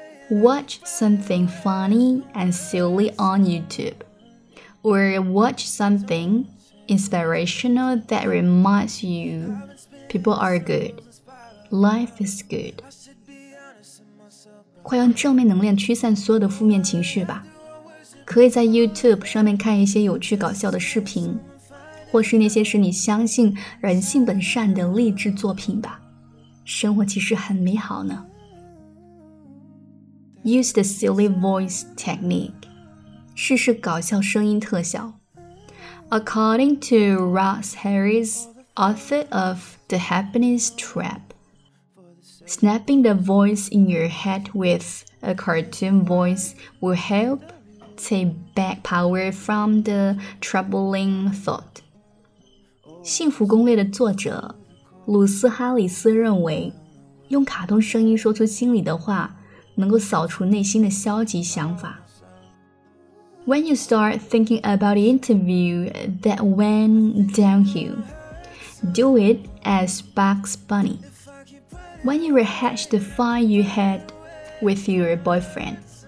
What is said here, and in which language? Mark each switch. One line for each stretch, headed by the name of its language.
English: Watch something funny and silly on YouTube, or watch something inspirational that reminds you people are good, life is good.
Chinese: 快用正面能量驱散所有的负面情绪吧。可以在 YouTube 上面看一些有趣搞笑的视频，或是那些使你相信人性本善的励志作品吧。生活其实很美好呢。
English: Use the silly voice technique，
Chinese: 试试搞笑声音特效。
English: According to Ross Harris, author of The Happiness Trap, snapping the voice in your head with a cartoon voice will help. Take back power from the troubling thought.
Chinese: 幸福攻略的作者鲁斯哈里斯认为，用卡通声音说出心里的话，能够扫除内心的消极想法。
English: When you start thinking about the interview that went downhill, do it as Bugs Bunny. When you rehash the fight you had with your boyfriend.